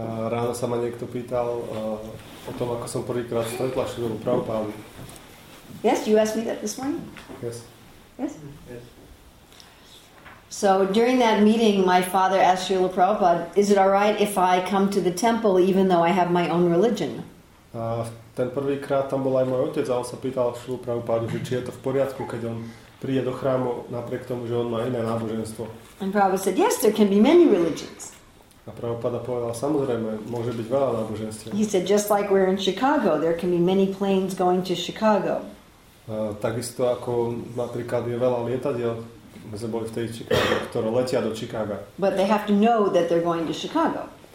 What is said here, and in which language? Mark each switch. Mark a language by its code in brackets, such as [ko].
[sk] Ráno sa ma niekto pýtal o tom, ako som prvýkrát stretla Srila Prabhupada. [en] Yes, you asked me that this morning? Yes. Yes? So during that meeting, my father asked Srila Prabhupada, is it all right if I come to the temple even though I have my own religion? [sk] Ten prvýkrát tam bol aj môj otec a on sa pýtal Srila Prabhupada, že či je to v poriadku, keď on príde do chrámu napriek tomu, že on má iné náboženstvo. [en] And Prabhupada said, yes, there can be many religions. [sk] A Prabhupada povedal, samozrejme, môže byť veľa náboženstiev. [en] He said, just like we're in Chicago, there can be many planes going to Chicago. [sk] Takisto ako napríklad je veľa lietadiel, my sme boli v tej Chicago, ktoré letia do Chicago. [en] But they have to know that they're going to Chicago.